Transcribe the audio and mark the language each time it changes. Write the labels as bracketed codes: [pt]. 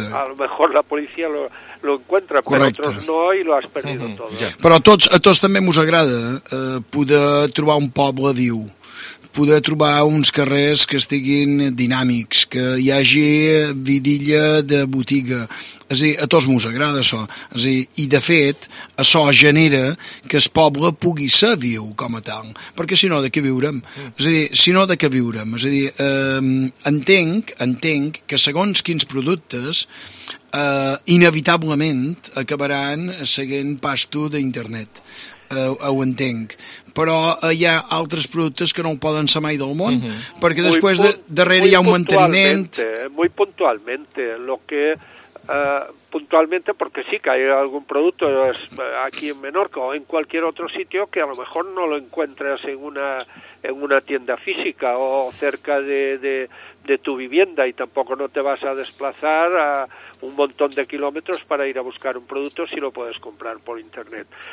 [es] Bueno, a lo mejor la policia lo encuentra. [ca] Correcte. [es] Pero otros no y lo has perdido todo. [ca] Ja. Però a tots també mos agrada poder trobar un poble viu, poder trobar uns carrers que estiguin dinàmics, que hi hagi vidilla de botiga. És a dir, a tots mos agrada això. És a dir, i de fet, això genera que el poble pugui ser viu com a tal. Perquè si no, de què viurem? És a dir, si no, de què viurem? És a dir, entenc que segons quins productes inevitablement acabaran seguint pasto d'internet. Ho entenc, però hi ha altres productes que no ho poden ser mai del món, perquè després darrere hi ha un manteniment... [es] Muy puntualmente, lo que... puntualmente, porque sí que hay algún producto aquí en Menorca o en cualquier otro sitio que a lo mejor no lo encuentras en una tienda física o cerca de tu vivienda, y tampoco no te vas a desplazar a un montón de kilómetros para ir a buscar un producto si lo puedes comprar por internet.